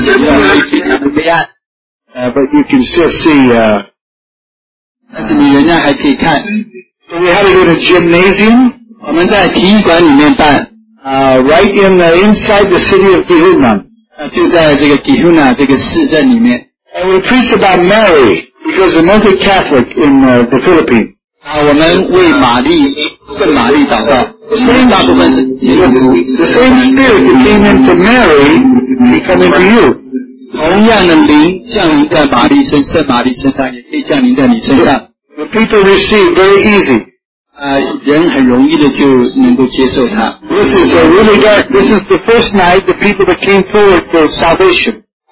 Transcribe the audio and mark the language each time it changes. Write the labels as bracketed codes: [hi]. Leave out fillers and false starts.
[zh] 组织了这一个校园的团体的。But [en] you can still see, [zh] 但是你仍然还可以看. [en] So we had it in a gymnasium. [zh] 我们在体育馆里面办. [en] Right in the inside the city of Gihuna. [zh] 就在这个 Gihuna 这个市镇里面. [en] And we preached about Mary, because the most Catholic in the Philippines. [zh] 我们为玛丽圣玛丽祷告，大部分是基督徒。The [en] same spirit that came into Mary coming to you. [zh] 同样的灵降临在玛丽身，圣玛丽身上也可以降临在你身上。People [en] receive very easy. [zh] 人很容易的就能够接受它。This [en] is a really dark. This is the first night the people that came forward for salvation.